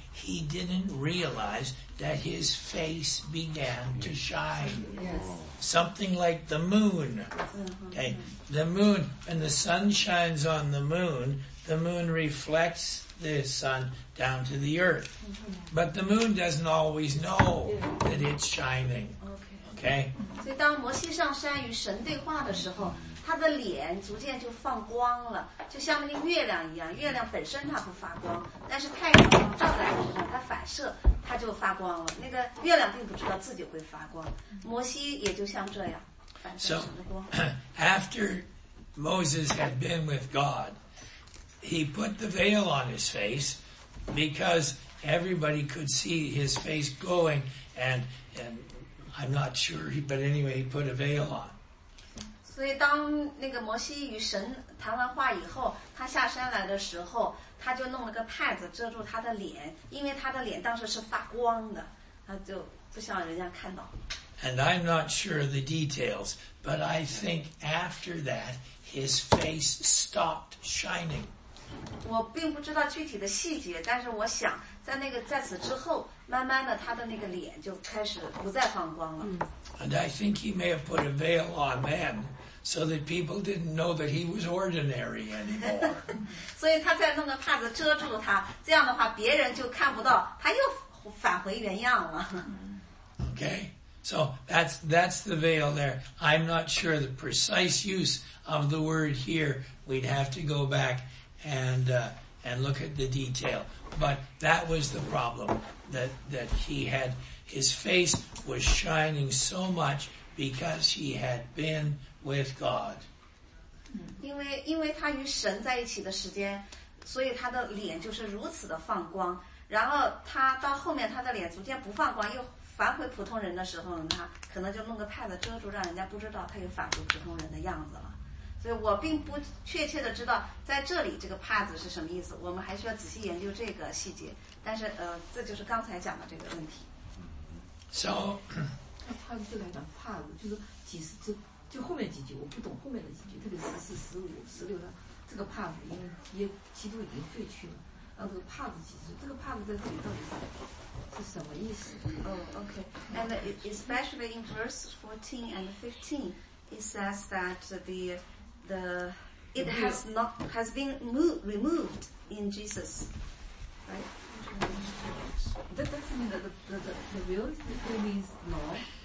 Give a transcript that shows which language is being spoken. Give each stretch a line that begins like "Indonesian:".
English: He didn't realize that his face began to shine. Yes. Something like the moon. Okay. The moon, when the sun shines on the moon reflects the sun down to the earth. But the moon doesn't always know that it's shining. Okay?
Chinese: So, 他的脸逐渐就放光了，就像那个月亮一样，月亮本身它不发光，但是太阳照在它身上，它反射，它就发光了。那个月亮并不知道自己会发光，摩西也就像这样，反射神的光。
English: So, after Moses had been with God, he put the veil on his face because everybody could see his face glowing, and I'm not sure, but anyway, he put a veil on.
Chinese: 所以当那个摩西与神谈完话以后，他下山来的时候，他就弄了个帕子遮住他的脸，因为他的脸当时是发光的，他就不想人家看到。
English: And I'm not sure the details, but I think after that, his face stopped shining.
Chinese: 我并不知道具体的细节，但是我想在那个在此之后，慢慢的他的那个脸就开始不再放光了。
English: And I think he may have put a veil on then so that people didn't know that he was ordinary anymore.
Chinese: 所以他再弄个帕子遮住他，这样的话别人就看不到，他又返回原样了。
English: Okay, so that's the veil there. I'm not sure the precise use of the word here. We'd have to go back and look at the detail. But that was the problem that he had. His face was shining so much because he had been with God.
Chinese: 因为他与神在一起的时间，所以他的脸就是如此的放光。然后他到后面他的脸逐渐不放光，又返回普通人的时候，他可能就弄个帕子遮住，让人家不知道他又返回普通人的样子了。所以我并不确切的知道在这里这个帕子是什么意思，我们还需要仔细研究这个细节。但是这就是刚才讲的这个问题。
English: So,
Chinese: 他帕子就来讲帕子，就是几十，就后面几句我不懂，后面的几句，特别十四、十五、十六章，这个帕子，因为耶基督已经废去了，然后这个帕子其实这个帕子在这里到底是什么意思？
English: 哦、oh, ，OK， and especially in verse 14 and 15 it says that the it has not has been removed in Jesus， right？ That doesn't mean that the will it means law.